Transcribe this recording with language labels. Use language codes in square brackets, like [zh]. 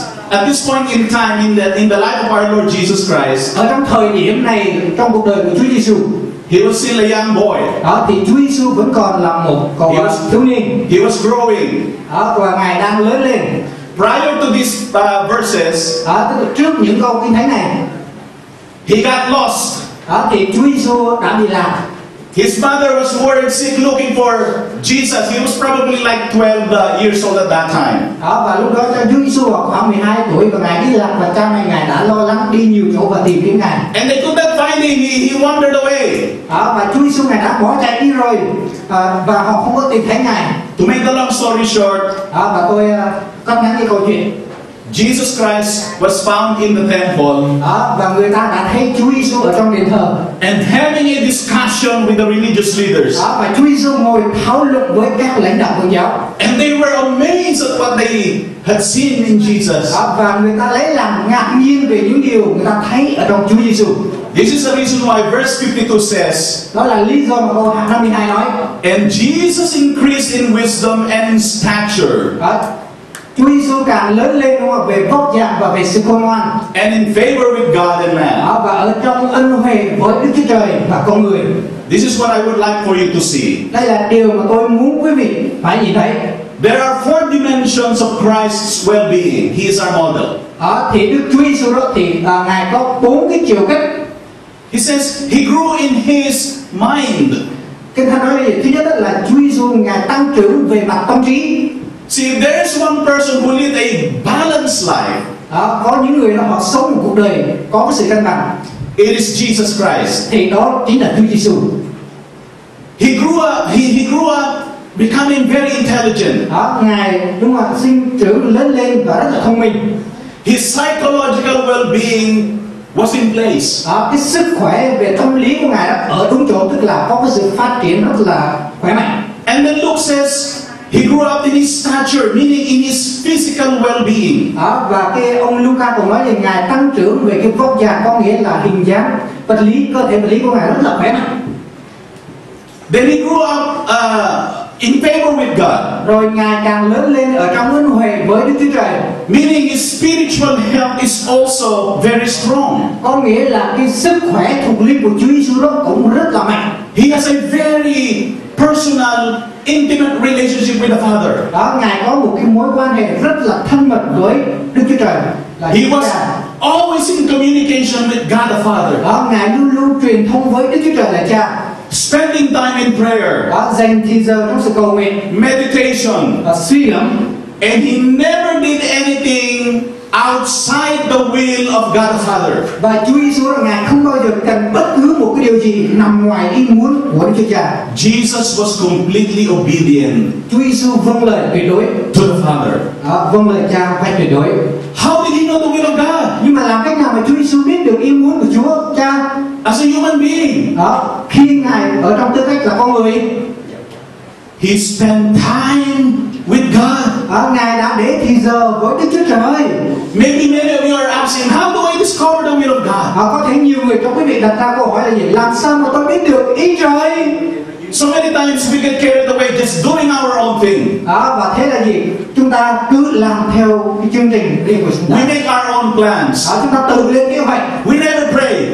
[en] At this point in time in the life of our Lord Jesus Christ. [vi] Ở trong thời điểm này trong cuộc đời của Chúa Giêsu. [en] He was still a young boy. [vi] Thì Chúa Giêsu vẫn còn là một con thiếu niên. [en] He was growing. [vi] Và ngài đang lớn lên. [en] Prior to these verses. [vi] Trước những câu kinh thánh này. [en] He got lost. [vi] Thì Chúa Giêsu đã bị lạc. [en] His mother was worried, sick, looking for Jesus. He was probably like 12 years old at that time. [vi] Và lúc đó cha Giêsu khoảng 12 tuổi và ngài đi lạc, và cha mẹ ngài đã lo lắng đi nhiều chỗ và tìm kiếm ngài. [en] And they could not find him. He wandered away. [vi] Và Chúa Giêsu ngài đã bỏ chạy đi rồi, và họ không có tìm thấy ngài. [en] To make the long story short. [vi] Và tôi cắt ngắn cái câu chuyện. [en] Jesus Christ was found in the temple. [vi] Và người ta đã thấy Chúa Giêsu ở trong đền thờ. [en] And having a discussion with the religious leaders. [vi] Và Chúa Giêsu ngồi thảo luận với các lãnh đạo tôn giáo. [en] And they were amazed at what they had seen in Jesus. [vi] Và người ta lấy làm ngạc nhiên về những điều người ta thấy ở trong Chúa Giêsu. [en] This is the reason why verse 52 says. [vi] Đó là lý do mà câu 52 nói. [en] And Jesus increased in wisdom and in stature. [vi] Chúa Giêsu càng lớn lên đúng không? Về vóc dạng và về sự khôn ngoan. [en] And in favor with God and man. [vi] Và ở trong ân huệ với Đức Chúa Trời và con người. [en] This is what I would like for you to see. [vi] Đây là điều mà tôi muốn quý vị phải nhìn thấy. [en] There are four dimensions of Christ's well-being. He is our model. [vi] Thì Đức Chúa Giêsu đó thì ngài có bốn cái chiều kích. [en] He says he grew in his mind. [vi] Kinh Thánh nói thứ nhất là Chúa Giêsu ngài tăng trưởng về mặt tâm trí. [en] See, if there is one person who lived a balanced life. [vi] Có những người họ sống một cuộc đời có cái sự cân bằng. [en] It is Jesus Christ. [vi] Thì đó chính là Chúa Giêsu. [en] He grew up becoming very intelligent. [vi] Ngài đúng không ạ, sinh trưởng lớn lên và rất là thông minh. [en] His psychological well-being was in place. [vi] Cái sức khỏe về tâm lý của ngài đó ở đúng chỗ, tức là có cái sự phát triển rất là khỏe mạnh. [en] And then Luke says he grew up in his stature, meaning in his physical well-being. [vi] Và cái ông Luca còn nói rằng ngài tăng trưởng về cái vóc dáng, có nghĩa là hình dáng vật lý, cơ thể vật lý của ngài rất là khỏe mạnh. [en] Then he grew up in favor with God. [vi] Rồi ngài càng lớn lên ở trong ân huệ với Đức Chúa Trời. [en] Meaning his spiritual health is also very strong. [vi] Có nghĩa là cái sức khỏe thuộc linh của Chúa Giêsu đó cũng rất là mạnh. [en] He has a very personal, intimate relationship with the Father. [vi] Đó, ngài có một cái mối quan hệ rất là thân mật với Đức Chúa Trời. [en] He was always in communication with God the Father. [vi] Đó, ngài luôn luôn truyền thông với Đức Chúa Trời là Cha. [en] Spending time in prayer. [vi] Đó, dành thời gian trong sự cầu nguyện. [en] Meditation. [vi] Suy ngẫm. [en] And he never did anything outside the will of God the Father. [vi] Và Chúa Giêsu ngài không bao giờ cần bất cứ một cái điều gì nằm ngoài ý muốn của Đức Chúa Cha. [en] Jesus was completely obedient. [vi] Chúa Giêsu vâng lời tuyệt đối. [en] To the Father. [vi] Vâng lời Cha phải tuyệt đối. [en] How did he know the will of God? [vi] Nhưng mà làm cách nào mà Chúa Giêsu biết được ý muốn của Chúa Cha? [en] As a human being. [vi] Khi ngài ở trong tư cách là con người. [en] He spent time with God. [vi] Ngài đã để thời giờ với Đức Chúa Trời. [en] Maybe many of you are asking, how do I discover the will of God? [vi] Có thể nhiều người trong quý vị đặt ra câu hỏi là gì? Làm sao mà tôi biết được ý Trời? [en] So many times we get carried away just doing our own thing. [vi] Và thế là gì? Chúng ta cứ làm theo cái chương trình riêng của chúng ta. [en] We make our own plans. [vi] Chúng ta tự lên kế hoạch. [en] We never pray.